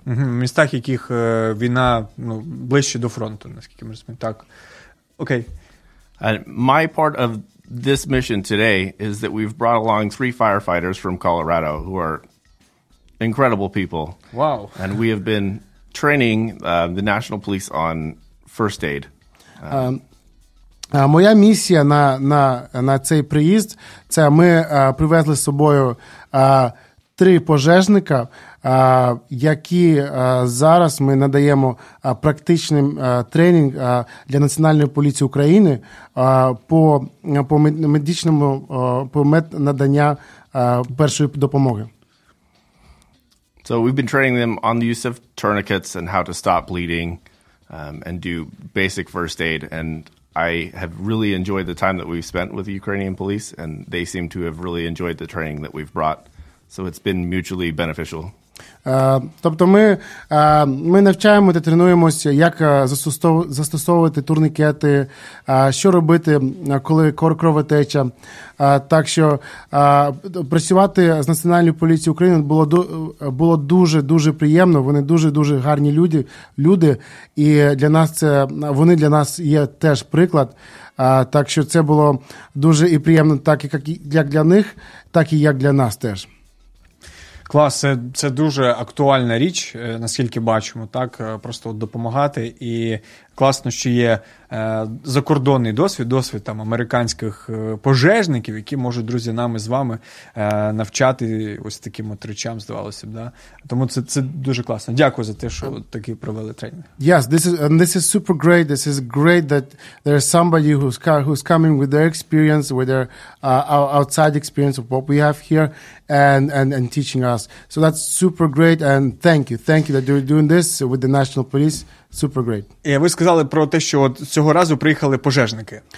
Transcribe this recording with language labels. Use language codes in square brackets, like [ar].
[uk] В містах, яких війна ближче до фронту, наскільки ми розуміємо. Так. Окей. [en] My part of this mission today is that we've brought along three firefighters from Colorado who are incredible people. Wow. And we have been training the National Police on first aid. [uk] Моя місія на цей приїзд – це ми привезли з собою три пожежника, які зараз ми надаємо практичний тренінг для Національної поліції України по медичному, по меднадання першої допомоги. [en] So we've been training them on the use of tourniquets and how to stop bleeding and do basic first aid and I have really enjoyed the time that we've spent with the Ukrainian police, and they seem to have really enjoyed the training that we've brought. So it's been mutually beneficial. [uk] Тобто ми навчаємо та тренуємося, як застосовувати турнікети, що робити, коли кровотеча. Так що працювати з Національною поліцією України було дуже-дуже приємно. Вони дуже-дуже гарні люди, і для нас вони для нас є теж приклад. Так що це було дуже і приємно, так як для них, так і як для нас теж. Клас, це дуже актуальна річ, наскільки бачимо, так, просто допомагати. І класно, що є закордонний досвід там американських пожежників, які можуть, друзі, нам із вами навчати ось таким от речам, здавалося б, да. Тому це дуже класно. Дякую за те, що такі провели тренінг. [en] Yes, this is super great. This is great that there is somebody who's coming with their experience, with their outside experience of what we have here and teaching us. So that's super great and thank you. Thank you that you're doing this with the National Police. Super great. [uk] Я ви сказали, сказали про те, що от цього разу приїхали пожежники.